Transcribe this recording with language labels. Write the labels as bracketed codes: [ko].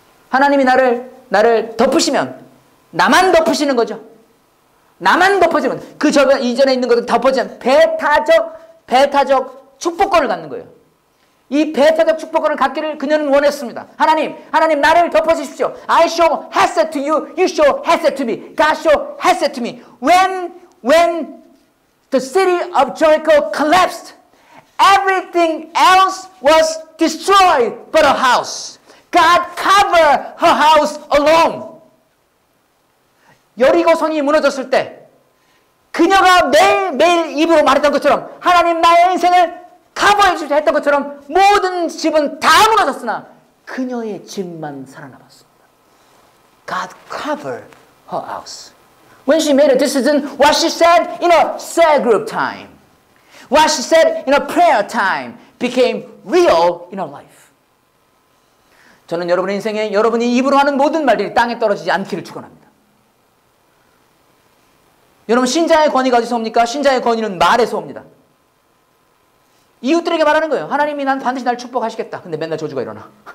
[ko] 하나님이 나를 덮으시면 나만 덮으시는 거죠. 나만 덮어지면 그 저변 이전에 있는 것들 덮어지면 베타적 축복권을 갖는 거예요. 이 베타적 축복권을 갖기를 그녀는 원했습니다. 하나님 나를 덮어주십시오. [en] I show hesed to you, you show hesed to me. God show hesed to me. When the city of Jericho collapsed, everything else was destroyed but her house. God covered her house alone. [ko] 여리고 성이 무너졌을 때 그녀가 매일 입으로 말했던 것처럼 하나님 나의 인생을 커버해 주시 했던 것처럼 모든 집은 다 무너졌으나 그녀의 집만 살아남았습니다. [en] God covered her house. When she made a decision, what she said in a cell group time, what she said in a prayer time became real in her life. [ko] 저는 여러분의 인생에 여러분이 입으로 하는 모든 말들이 땅에 떨어지지 않기를 축원합니다. 여러분, 신자의 권위가 어디서 옵니까? 신자의 권위는 말에서 옵니다. 이웃들에게 말하는 거예요. 하나님이 난 반드시 날 축복하시겠다. 근데 맨날 저주가 일어나.